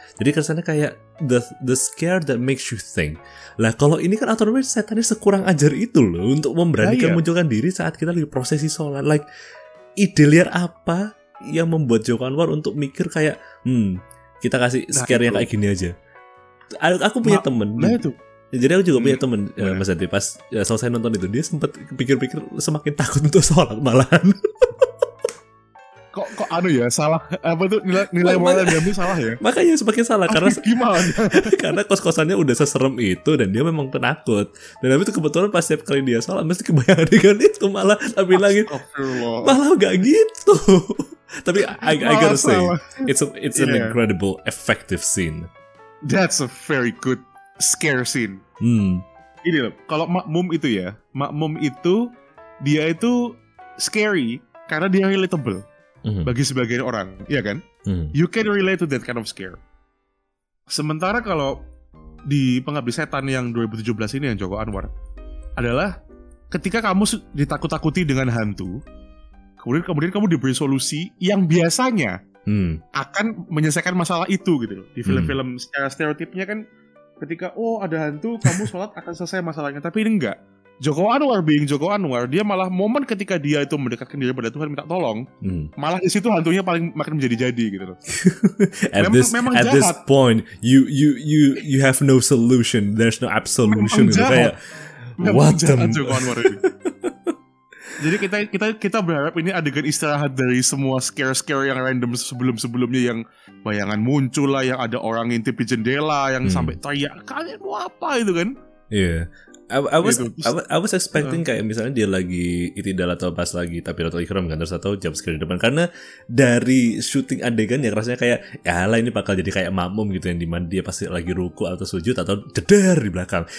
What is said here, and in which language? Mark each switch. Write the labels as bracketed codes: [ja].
[id] Jadi kesannya kayak [en] the scare that makes you think. [id] Lah kalau ini kan otomatis setannya sekurang ajar itu loh untuk memberanikan munculkan diri saat kita lagi prosesi sholat. Like ide liar apa yang membuat Joko Anwar untuk mikir kayak kita kasih scare yang kayak gini aja? Aku punya teman. Nah itu. Jadi aku juga punya teman Mas Dante. Pas selesai nonton itu dia sempat pikir-pikir semakin takut untuk sholat malahan. Kok anu ya, salah apa tuh nilai moralnya dia salah ya? Makanya semakin salah karena gimana? Karena kos-kosannya udah seserem itu dan dia memang penakut. Dan habis itu kebetulan pas setiap kali dia sholat mesti kebayang dengan itu malah tapi lagi. Malah gak gitu. Tapi [en] I gotta say it's an incredible effective scene. That's a very good scare scene. [id] Ini loh, kalau Makmum itu dia itu scary karena dia relatable bagi sebagian orang, iya kan? [en] You can relate to that kind of scare. [id] Sementara kalau di Pengabdi Setan yang 2017 ini yang Joko Anwar adalah ketika kamu ditakut-takuti dengan hantu, kemudian kamu diberi solusi yang biasanya akan menyelesaikan masalah itu gitu. Di film-film secara stereotipnya kan ketika ada hantu kamu sholat akan selesai masalahnya, tapi ini enggak. Joko Anwar being Joko Anwar, dia malah momen ketika dia itu mendekatkan diri pada Tuhan minta tolong, malah di situ hantunya paling makin menjadi-jadi gitu loh. memang jahat. [en] At this point you have no solution, there's no absolution. [id] Memang jahat. Kayak, memang [en] what [id] jahat them? Joko Anwar ini. Jadi kita berharap ini adegan istirahat dari semua scare-scare yang random sebelumnya, yang bayangan muncul lah, yang ada orang ngintip di jendela, yang sampai teriak, kalian mau apa itu kan? Iya. Yeah. [en] I was expecting [id] kayak misalnya dia lagi itidal atau pas lagi tapi atau ikhram kan, terus atau jump scare di depan, karena dari syuting adegan ya rasanya kayak ya lah ini bakal jadi kayak Makmum gitu, yang dimana dia pasti lagi ruku atau sujud atau jeder di belakang.